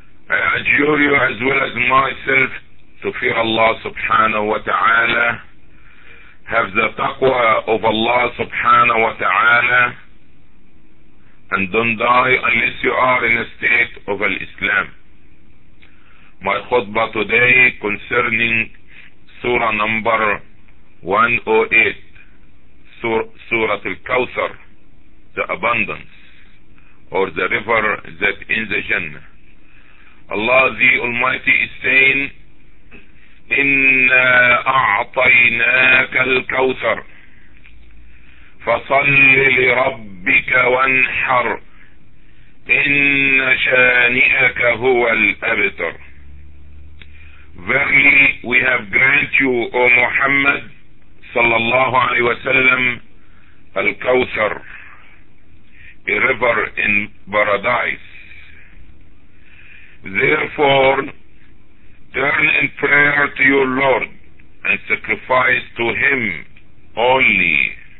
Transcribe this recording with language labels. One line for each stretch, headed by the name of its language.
English: I adjure you as well as myself to fear Allah subhanahu wa ta'ala, have the taqwa of Allah subhanahu wa ta'ala, and don't die unless you are in a state of Islam. My khutbah today concerning surah number 108, Surah Al-Kawthar, the abundance, or the river that in the Jannah. Allah the Almighty is saying,
Arabic: إِنَّا أَعْطَيْنَاكَ الْكَوْثَرِ فَصَلِّ لِرَبِّكَ وَانْحَرْ إِنَّ شَانِئَكَ هُوَ الْأَبْتَرِ.
English: Verily, we have granted you, O Muhammad sallallahu alayhi wa sallam, Al-Kawthar, a river in paradise. Therefore, turn in prayer to your Lord and sacrifice to Him only.